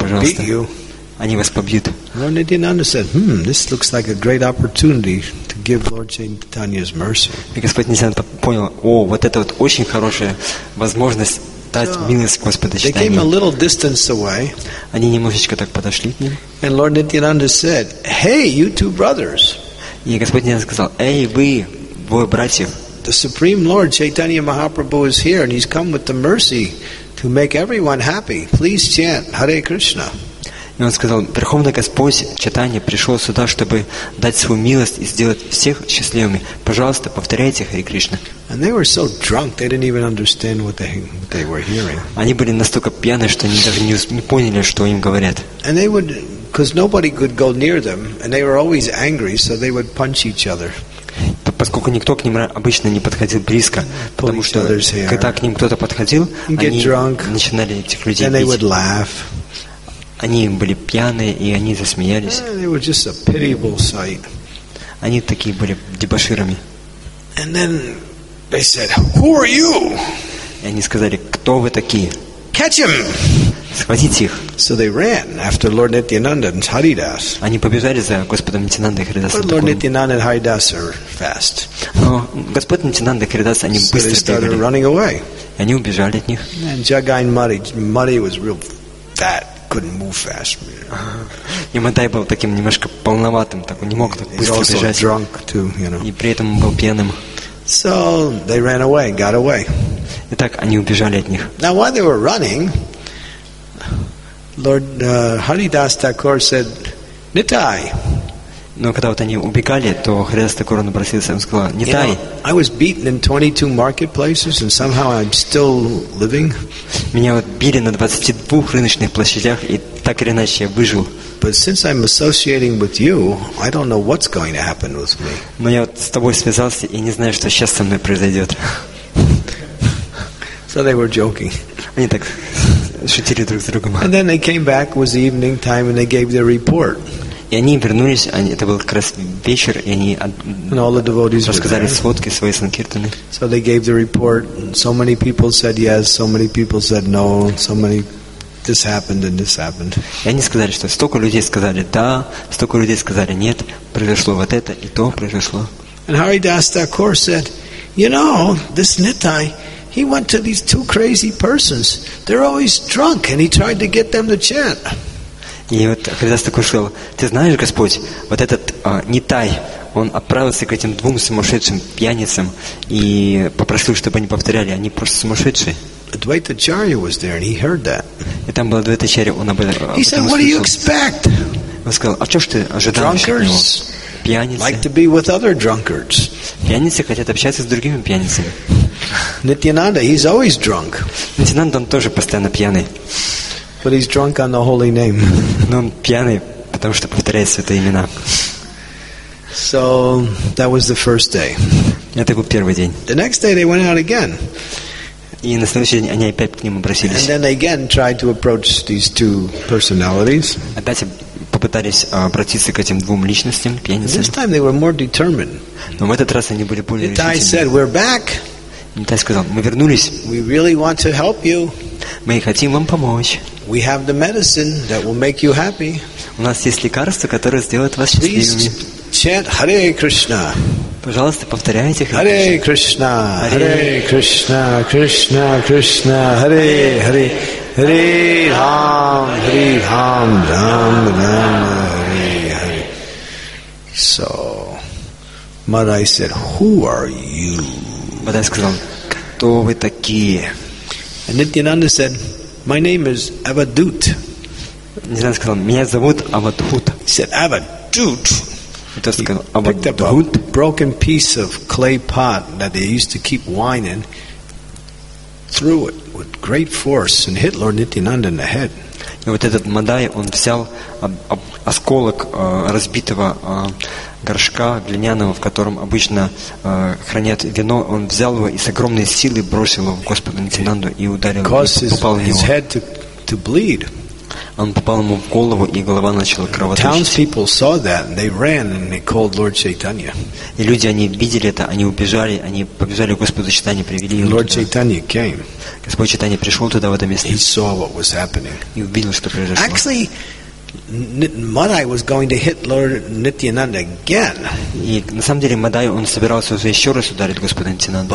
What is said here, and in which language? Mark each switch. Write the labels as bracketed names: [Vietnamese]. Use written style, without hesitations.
[Russian] пожалуйста. Они вас побьют. [English] Lord Nityananda said, this looks like a great opportunity to give Lord Chaitanya's mercy. [Russian] И Господь Нитьянанда понял, вот это вот очень хорошая возможность дать милость Господа Чайтаньи. [English] They came a little distance away. [Russian] Они немножечко так подошли к ним. [English] And Lord Nityananda said, "Hey, you two brothers." [Russian] И Господь Нитьянанда сказал, "Эй, вы, двое братьев." [English] The Supreme Lord Chaitanya Mahaprabhu is here, and he's come with the mercy to make everyone happy. Please chant Hare Krishna. [Russian] И он сказал, Верховный Господь Чайтанья пришел сюда, чтобы дать свою милость и сделать всех счастливыми. Пожалуйста, повторяйте Хари Кришна. [English] And they were so drunk, they didn't even understand what they were hearing. [Russian] Они были настолько пьяны, что они даже не поняли, что им говорят. [English] And they would, because nobody could go near them, and they were always angry, so they would punch each other. [Russian] Поскольку никто к ним обычно не подходил близко, потому что когда к ним кто-то подходил, они начинали этих людей бить. [English] And they would laugh. [Russian] Они были пьяные, и они засмеялись. [English] They were just a pitiable sight. [Russian] Они такие были дебоширами. [English] And then they said, "Who are you?" [Russian] И они сказали, "Кто вы такие?" [English] Catch him! [Russian] Схватите их. [English] So they ran after Lord Nityananda and Haridas. [Russian] Они побежали за Господом Нитьянандой и Харидасом. [English] But Lord Nityananda and Haridas are fast. [Russian] Но Господь Нитьянанда и Харидас они быстро бегали. [English] So they started running away. [Russian] И они убежали от них. [English] And Jagai and Madai was real fat. Couldn't move fast. [Russian] И Мадай был таким немножко полноватым, так он не мог так быстро бежать. [English] Drunk too, you know. [Russian] И при этом он был пьяным. [English] So they ran away, got away. [Russian] Итак, они убежали от них. [English] Now while they were running, Lord Haridas Thakur said, "Nitai." [Russian] Но когда вот они убегали, то Харидас Тхакура обратился, он сказал, "Нитай." [English] You know, I was beaten in 22 marketplaces, and somehow I'm still living. [Russian] Меня вот били на 22 рыночных площадях, и так или иначе я выжил. [English] But since I'm associating with you, I don't know what's going to happen with me. [Russian] Но я вот с тобой связался и не знаю, что сейчас со мной произойдет. [English] So they were joking. [Russian] Они так шутили друг с другом. [English] And then they came back. It was evening time, and they gave their report. [Russian] И они вернулись, это был как раз вечер, и они рассказали сводки свои санкиртаны. [English] So they gave the report, so many people said yes, so many people said no, so many this happened and this happened. [Russian] И они сказали, что столько людей сказали да, столько людей сказали нет, произошло вот это и то произошло. [English] And Haridas Thakur said, you know, this Nitai, he went to these two crazy persons. They're always drunk, and he tried to get them to chant. [Russian] И вот Харидас такой сказал, ты знаешь, Господь, вот этот Нитай, он отправился к этим двум сумасшедшим пьяницам и попросил, чтобы они повторяли, они просто сумасшедшие. [English] Advaita Charya was there, and he heard that. [Russian] И там был Advaita Charya, он об этом услышал. [English] He said, what do you expect? [Russian] Он сказал, а что ж ты ожидаешь от него? пьяницы. [English] Like to be with other drunkards. [Russian] Пьяницы хотят общаться с другими пьяницами. [English] Nityananda, he's always drunk. [Russian] Nityananda, он тоже постоянно пьяный. [English] But he's drunk on the holy name. [Russian] Но он пьяный, потому что повторяет святые имена. [English] So that was the first day. [Russian] Это был первый день. [English] The next day they went out again. [Russian] И на следующий день они опять к ним обратились. [English] And then they again tried to approach these two personalities. [Russian] Опять попытались обратиться к этим двум личностям, пьяницам. [English] This time they were more determined. [Russian] Но в этот раз они были более решительны. [English] Nitai said, "We're back." [Russian] Nitai сказал, мы вернулись. [English] We really want to help you. [Russian] Мы хотим вам помочь. [English] We have the medicine that will make you happy. [Russian] У нас есть лекарство, которое сделает вас счастливыми. [English] Chant Hare Krishna. [Russian] Пожалуйста, повторяйте [Sanskrit] Hare Krishna. Hare Krishna, Krishna Krishna, Hare Hare. Hare Ram, Hare Ram, Ram Ram, Hare Hare. [English] So, Madai said, "Who are you?" [Russian] Madai сказал, кто вы такие? [English] And Nityananda said, "My name is Avadhut." [Russian] Nityananda сказал, меня зовут Avadhut. [English] He said, "Avadhut." He picked up a broken piece of clay pot that they used to keep wine in, threw it with great force and hit Lord Nityananda in the head. [Russian] И вот этот Мадай, он взял осколок разбитого горшка глиняного, в котором обычно хранят вино, он взял его и с огромной силой бросил его в Господа Нитинанду и ударил его, и попал в него. Он попал ему в голову, и голова начала кровоточить. [English] Townspeople saw that, and they ran and they called Lord Chaitanya. [Russian] И люди, они видели это, они убежали, они побежали к Господу Чайтанье, привели его. [English] Lord Chaitanya came. [Russian] Господь Чайтанья пришел туда, в это место. [English] He saw what was happening. [Russian] И увидел, что произошло. [English] Actually, Madai was going to hit Lord Nityananda again. [Russian] И на самом деле Мадай, он собирался уже еще раз ударить Господа Нитинанду.